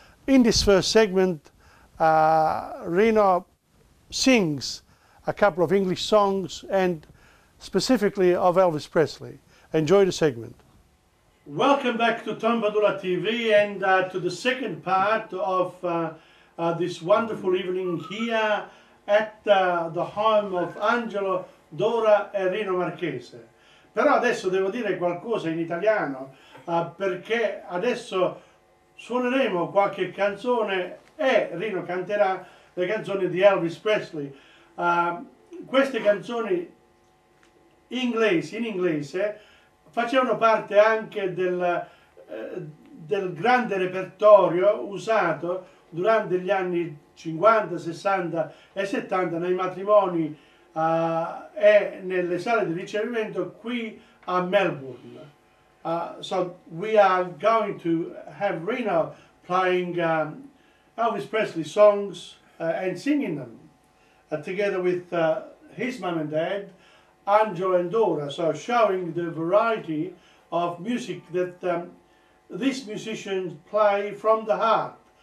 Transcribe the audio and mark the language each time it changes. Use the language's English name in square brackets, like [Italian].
[English] In this first segment, Rino sings a couple of English songs and specifically of Elvis Presley. Enjoy the segment. Welcome back to TomPadula TV and to the second part of this wonderful evening here at the home of Angelo, Dora e Rino Marchese. [Italian] Però adesso devo dire qualcosa in italiano perché adesso suoneremo qualche canzone e Rino canterà le canzoni di Elvis Presley. Queste canzoni in inglese facevano parte anche del grande repertorio usato durante gli anni 50, 60 e 70 nei matrimoni e nelle sale di ricevimento qui a Melbourne. [English] So we are going to have Rino playing Elvis Presley songs and singing them together with his mom and dad, Angelo and Dora, so showing the variety of music that these musicians play from the heart.